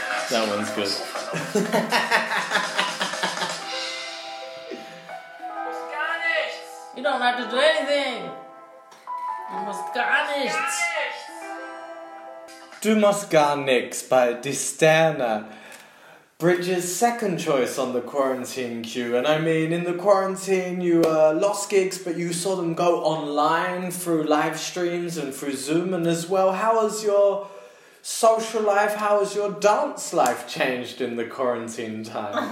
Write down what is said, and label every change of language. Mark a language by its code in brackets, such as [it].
[en] That one's good. You don't have to do anything. [de] Du musst gar nichts. Du musst gar nichts by Distiana. [en] Bridge's second choice on the quarantine queue. And I mean, in the quarantine, you lost gigs, but you saw them go online through live streams and through Zoom and as well. How has your social life, how has your dance life changed in the quarantine times?